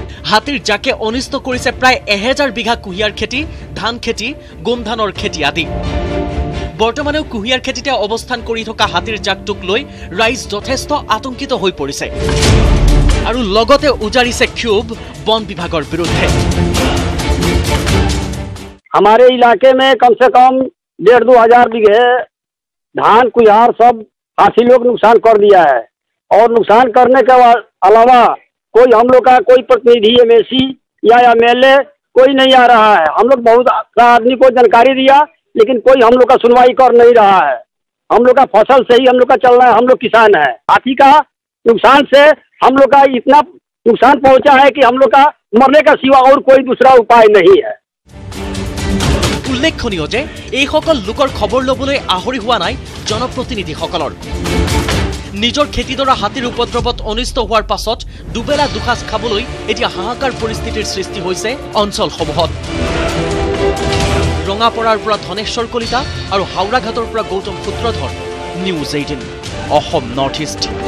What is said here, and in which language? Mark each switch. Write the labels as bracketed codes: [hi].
[as] হাতীৰ জাকে অনিষ্ট কৰিছে প্ৰায় 1000 বিঘা কুঁহিয়াৰ খেতি ধান খেতি গোম ধানৰ খেতি আদি বৰ্তমানেও কুঁহিয়াৰ খেতিতে অৱস্থান কৰি থকা হাতীৰ জাকটোক লৈ ৰাইজ যথেষ্ট আতংকিত হৈ পৰিছে আৰু লগতে উজাৰিছে ক্ষোভ বন বিভাগৰ বিৰুদ্ধে [hi] हमारे इलाके में कम से कम 1500-2000 बीघे धान कुहार सब हाथी लोग नुकसान कर दिया है और नुकसान करने के अलावा कोई हम लोग का कोई प्रतिनिधि एमएससी या एमएलए कोई नहीं आ रहा है हम लोग बहुत आदमी को जानकारी दिया लेकिन कोई हम लोग का सुनवाई कर नहीं रहा है हम लोग का फसल से ही हम लोग का चल रहा है हम लोग किसान है हाथी का नुकसान से हम लोग का इतना नुकसान पहुंचा है कि हम लोग का मरने का सिवा और कोई दूसरा उपाय नहीं है [as] উল্লেখনীয় যে এইসকল লোকৰ খবৰ ল'বলৈ আহৰি হোৱা নাই জনপ্ৰতিনিধিসকলৰ নিজৰ খেতিডৰা হাতীৰ উপদ্ৰৱত অনিষ্ট হোৱাৰ পাছত দুবেলা দুসাজ খাবলৈ এতিয়া হাহাকাৰ পৰিস্থিতিৰ সৃষ্টি হৈছে অঞ্চলসমূহত ৰঙাপৰাৰ পৰা ধনেশ্বৰ কলিতা আৰু হাওৰাঘাটৰ পৰা Gautam পুত্ৰধৰ news 18 Assam north east